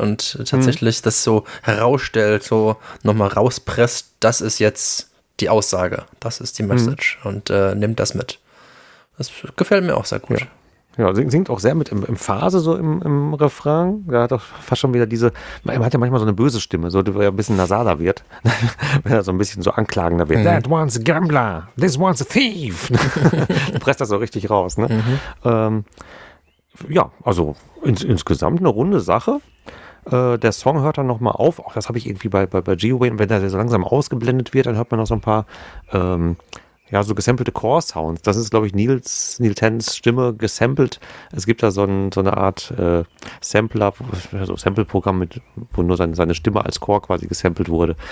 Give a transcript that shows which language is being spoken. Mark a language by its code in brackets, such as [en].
[de] Und tatsächlich das so herausstellt, so nochmal rauspresst, das ist jetzt die Aussage, das ist die Message und nimmt das mit. Das gefällt mir auch sehr gut. Ja, singt auch sehr mit im Phase so im Refrain. Da hat auch fast schon wieder diese, man hat ja manchmal so eine böse Stimme, so die ein bisschen nasaler wird, wenn er so ein bisschen so anklagender wird. [en] That one's a gambler, this one's a thief. [de] Du presst das so richtig raus, ne? Ja, also insgesamt eine runde Sache. Der Song hört dann nochmal auf. Auch das habe ich irgendwie bei G-Wayne, wenn er so langsam ausgeblendet wird, dann hört man noch so ein paar ja, so gesampelte Chor-Sounds. Das ist, glaube ich, Neil Tenns Stimme gesampelt. Es gibt da so eine Art Sampler, so Sample-Programm, wo nur seine Stimme als Chor quasi gesampelt wurde.